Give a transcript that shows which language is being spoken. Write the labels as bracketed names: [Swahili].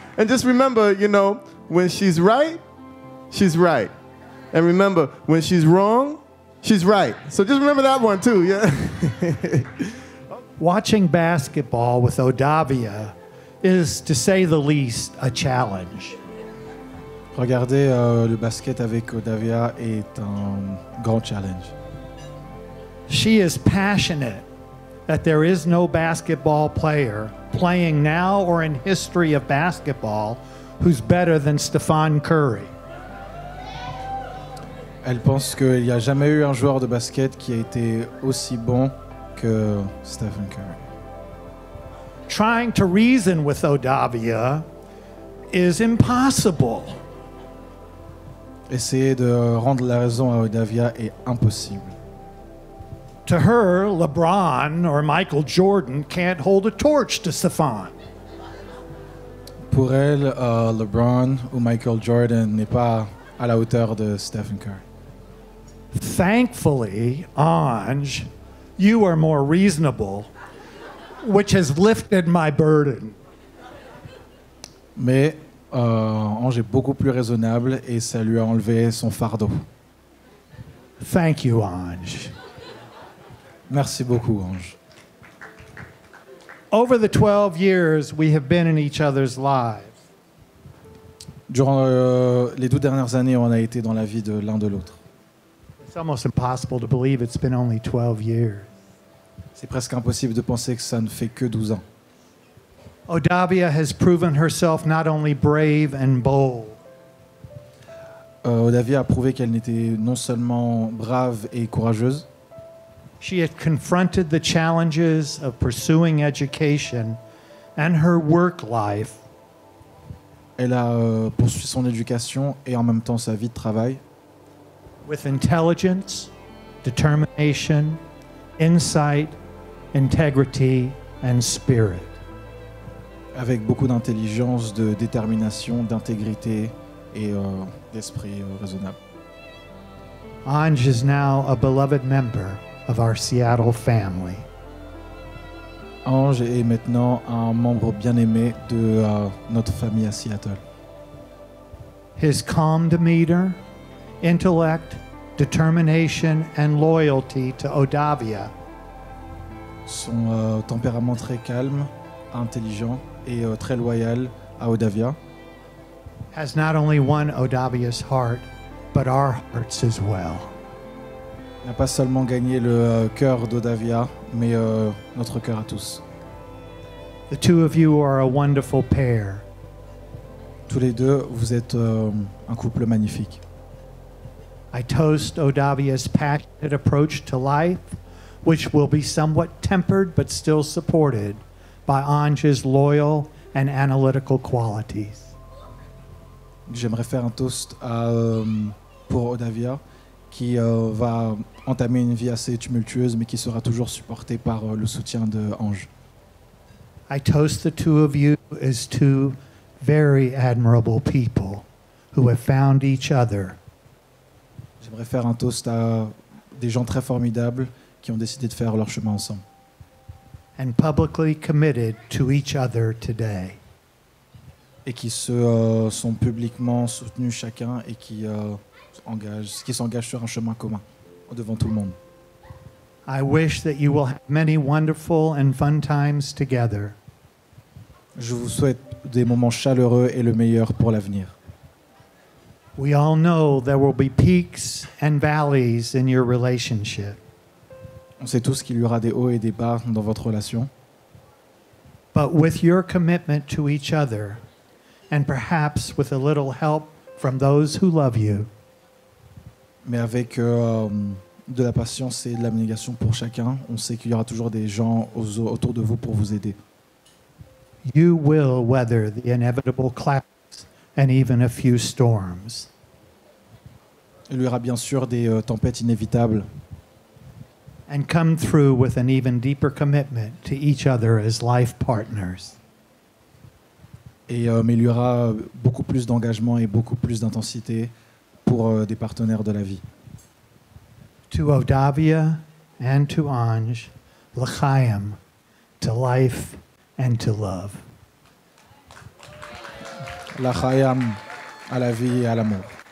[English] And just remember, you know, when she's right, she's right. And remember, when she's wrong, she's right. So just remember that one too. Yeah. Watching basketball with Odavia is, to say the least, a challenge. [French] Regarder le basket avec Odavia est un grand challenge. [English] She is passionate that there is no basketball player playing now or in history of basketball who's better than Stephen Curry. [French] Elle pense qu'il n'y a jamais eu un joueur de basket qui a été aussi bon que Stephen Curry. [English] Trying to reason with Odavia is impossible. [French] Essayer de rendre la raison à Odavia est impossible. [English] To her, LeBron or Michael Jordan can't hold a torch to Stephen. [French] Pour elle, LeBron ou Michael Jordan n'est pas à la hauteur de Stephen Curry. [English] Thankfully, Ange, you are more reasonable. Which has lifted my burden. [French] Mais Ange est beaucoup plus raisonnable et ça lui a enlevé son fardeau. [English] Thank you, Ange. [French] Merci beaucoup, Ange. [English] Over the 12 years we have been in each other's lives. [French] Durant les 12 dernières années, on a été dans la vie de l'un de l'autre. [English] It's almost impossible to believe it's been only 12 years. [French] C'est presque impossible de penser que ça ne fait que 12 ans. [English] Odavia has proven herself not only brave and bold. [French] Odavia a prouvé qu'elle n'était non seulement brave et courageuse. [English] She had confronted the challenges of pursuing education and her work life. [French] Elle a poursuivi son éducation et en même temps sa vie de travail. [English] With intelligence, determination, insight, integrity and spirit. [French] Avec beaucoup d'intelligence, de détermination, d'intégrité et d'esprit raisonnable. [English] Ange is now a beloved member of our Seattle family. [French] Ange est maintenant un membre bien-aimé de notre famille à Seattle. [English] His calm demeanor, intellect, determination and loyalty to Odavia. [French] Son tempérament très calme, intelligent et très loyal à Odavia. [English] Has not only won Odavia's heart, but our hearts as well. [French] N'a pas seulement gagné le cœur d'Odavia, mais notre cœur à tous. [English] The two of you are a wonderful pair. [French] Tous les deux, vous êtes un couple magnifique. [English] I toast Odavia's passionate approach to life, which will be somewhat tempered but still supported by Ange's loyal and analytical qualities. [French] J'aimerais faire un toast à pour Hodaviah, qui va entamer une vie assez tumultueuse, mais qui sera toujours supportée par le soutien de Ange. [English] I toast the two of you as two very admirable people who have found each other. [French] J'aimerais faire un toast à des gens très formidables qui ont décidé de faire leur chemin ensemble. [English] And publicly committed to each other today. [French] Et qui se sont publiquement soutenus chacun et qui s'engagent sur un chemin commun devant tout le monde. [English] I wish that you will have many wonderful and fun times together. [French] Je vous souhaite des moments chaleureux et le meilleur pour l'avenir. [English] We all know there will be peaks and valleys in your relationship. [French] On sait tous qu'il y aura des hauts et des bas dans votre relation. [English] But with your commitment to each other, and perhaps with a little help from those who love you. [French] Mais avec de la patience et de l'abnégation pour chacun, on sait qu'il y aura toujours des gens autour de vous pour vous aider. [English] You will weather the inevitable clouds and even a few storms. [French] Il y aura bien sûr des tempêtes inévitables. [English] And come through with an even deeper commitment to each other as life partners. [French] Et mais il y aura beaucoup plus d'engagement et beaucoup plus d'intensité pour des partenaires de la vie. [English] To Hodaviah and to Ange, l'chaim, to life and to love. [French] L'chaim à la vie et à l'amour.